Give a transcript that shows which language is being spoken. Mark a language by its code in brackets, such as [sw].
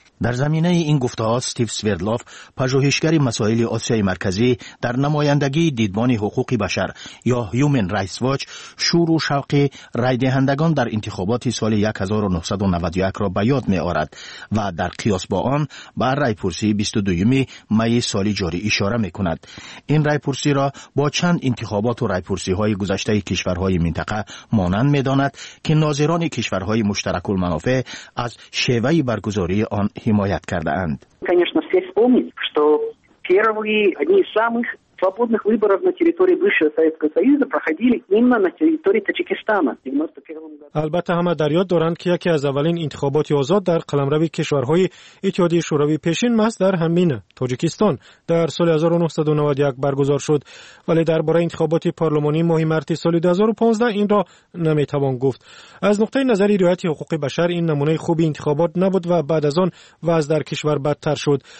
[fa] در زمینه این گفته‌ها استیو سویردلوف، پژوهشگر مسائل آسیای مرکزی در نمایندگی دیدبان حقوق بشر یا Human Rights Watch، شور و شوق رای دهندگان در انتخابات سال 1991 را به یاد می‌آورد و در قیاس با آن به رایپرسی 22 می سال جاری اشاره می‌کند. این رایپرسی را با چند انتخابات و رایپرسی‌های گذشته کشورهای منطقه مانند می‌داند که ناظران کشورهای مشترک المنافع از شیوه برگزاری آن حمایت کرده اند. [ru] Конечно, все вспомнить, что первые одни из самых свободных выборов на территории бывшего Советского Союза проходили именно на территории Таджикистана в 91 году. [tg] Албатта ҳама дар ёд доранд, ки яке аз аввалин интихоботи озод дар қаламрави кишварҳои Иттиҳодияи Шӯравӣ пешин маҳз дар ҳамин Таҷикистон дар соли 1991 баргузор шуд, вале дар бораи интихоботи парлумонӣ моҳи марти соли 2015 инро наметавон гуфт. Аз нуқтаи назари риояти ҳуқуқи башар ин намунаи хуби интихобот набуд ва баъд аз он вазъ дар кишвар бадтар шуд.